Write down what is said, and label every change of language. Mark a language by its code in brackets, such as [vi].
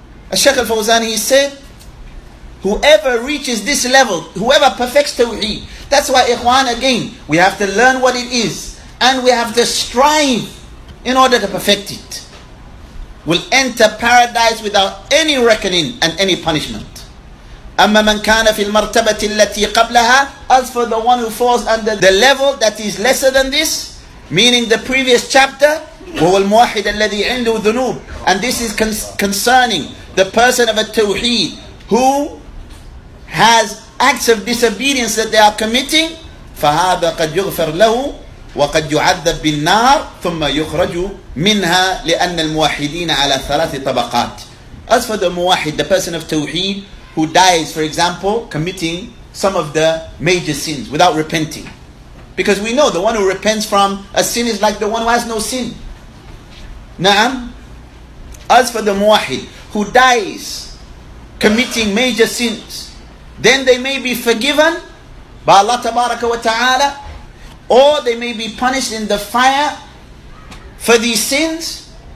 [en] Al-Shaykh al-Fawzani, he said, whoever reaches this level, whoever perfects tawheed, that's why ikhwan, again, we have to learn what it is and we have to strive in order to perfect it. Will enter paradise without any reckoning and any punishment. [ar] أما من كان في المرتبة التي قبلها. [en] As for the one who falls under the level that is lesser than this, meaning the previous chapter, [ar] هو الموحد الذي عنده ذنوب. [en] And this is concerning the person of a tawheed who has acts of disobedience that they are committing. [ar] فهذا قد يغفر له وقد يعذب بالنار ثم يخرج منها لأن الموحدين على ثلاث طبقات. [en] As for the muwahid, the person of tawheed who dies, for example, committing some of the major sins without repenting. Because we know the one who repents from a sin is like the one who has no sin. Na'am. As for the muwahid who dies committing major sins, then they may be forgiven by Allah Tabaraka wa Ta'ala, or they may be punished in the fire for these sins.